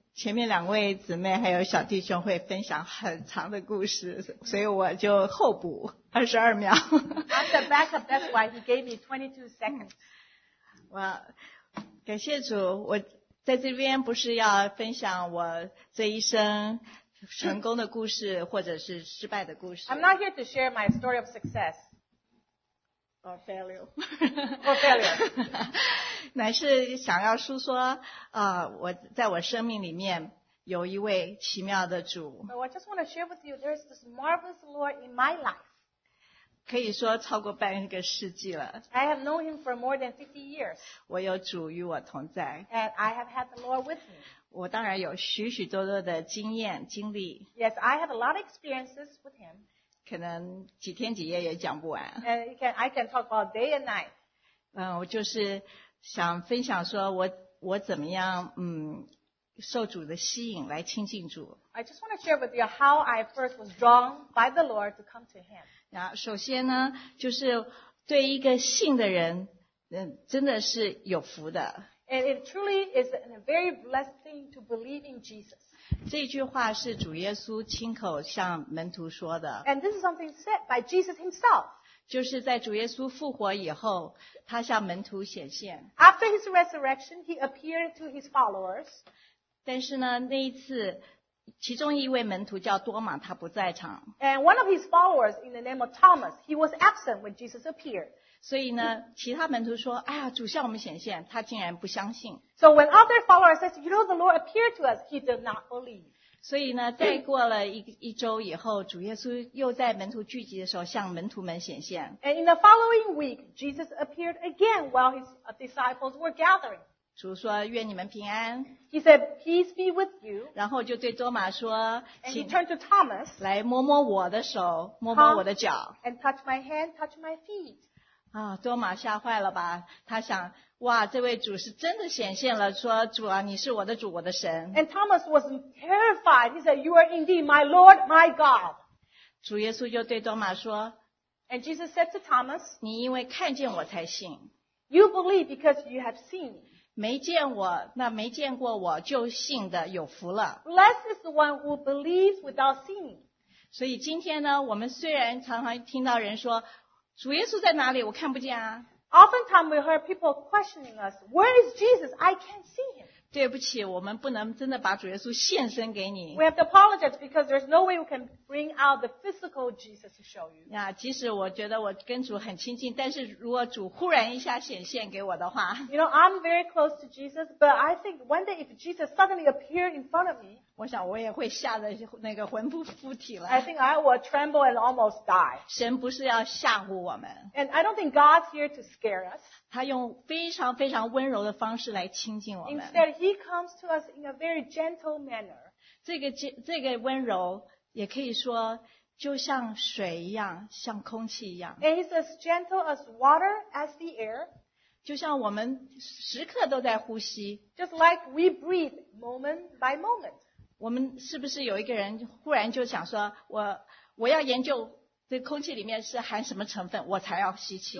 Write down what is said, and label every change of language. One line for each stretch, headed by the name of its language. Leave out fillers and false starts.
Chinese: 前面两位姊妹还有小弟兄会分享很长的故事，所以我就后补22秒。
English: At the back of that's why he gave me 22 seconds.
Chinese: 哇，感谢主，我在这边不是要分享我这一生成功的故事或者是失败的故事。
English: I'm not here to share my story of success. Or failure. Or failure.
Chinese: 乃是想要述说我在我生命里面有一位奇妙的主。
English: So I just want to share with you, there's this marvelous Lord in my life.
Chinese: 可以说超过半个世纪了。
English: I have known him for more than 50 years.
Chinese: 我有主与我同在。
English: And I have had the Lord with me.
Chinese: 我当然有许许多多的经验经历。
English: Yes, I have a lot of experiences with him.
Chinese: 可能几天几夜也讲不完。
English: And I can talk about day and night.
Chinese: 我就是想分享说我怎么样受主的吸引来亲近主。
English: I just want to share with you how I first was drawn by the Lord to come to him.
Chinese: 首先呢就是对一个信的人，真的是有福的。
English: And it truly is a very blessed thing to believe in Jesus.
Chinese: 这句话是主耶稣亲口向门徒说的。
English: And this is something said by Jesus himself.
Chinese: 就是在主耶稣复活以后，他向门徒显现。
English: After his resurrection, he appeared to his followers.
Chinese: 但是呢，那一次，其中一位门徒叫多马，他不在场。
English: And one of his followers, in the name of Thomas, he was absent when Jesus appeared.
Chinese: 所以呢，其他门徒说：“哎呀，主向我们显现。” 他竟然不相信。
English: So when other followers said, "You know, the Lord appeared to us," he did not believe.
Chinese: 所以呢，再过了一周以后，主耶稣又在门徒聚集的时候向门徒们显现。
English: And in the following week, Jesus appeared again while his disciples were gathering.
Chinese: 主说：“愿你们平安。”
English: He said, "Peace be with you."
Chinese: 然后就对多马说：“
English: And he turned to Thomas.
Chinese: 来摸摸我的手，摸摸我的脚。
English: And touch my hand, touch my feet.”
Chinese: 啊，多马吓坏了吧？他想，哇，这位主是真的显现了，说主啊，你是我的主，我的神。
English: And Thomas was terrified. He said, "You are indeed my Lord, my God."
Chinese: 主耶稣就对多马说
English: ，And Jesus said to Thomas,
Chinese: 你因为看见我才信。
English: You believe because you have seen.
Chinese: 没见我，那没见过我就信的有福了。
English: Blessed is the one who believes without seeing.
Chinese: 所以今天呢，我们虽然常常听到人说。主耶稣在哪里？我看不见啊。
English: Oftentimes we heard people questioning us, "Where is Jesus? I can't see him."
Chinese: 对不起，我们不能真的把主耶稣现身给你。
English: We have to apologize because there's no way we can bring out the physical Jesus to show you.
Chinese: 呀，即使我觉得我跟主很亲近，但是如果主忽然一下显现给我的话
English: ，You know, I'm very close to Jesus, but I think one day if Jesus suddenly appeared in front of me,
Chinese: 我想我也会吓得那个魂不附体了。
English: I think I will tremble and almost die.
Chinese: 神不是要吓唬我们。
English: And I don't think God's here to scare us.
Chinese: 他用非常非常温柔的方式来亲近我们。
English: Instead, he comes to us in a very gentle manner.
Chinese: 这个温柔也可以说就像水一样，像空气一样。
English: And he's as gentle as water, as the air.
Chinese: 就像我们时刻都在呼吸。
English: Just like we breathe moment by moment.
Chinese: 我们是不是有一个人忽然就想说我要研究这空气里面是含什么成分我才要吸气。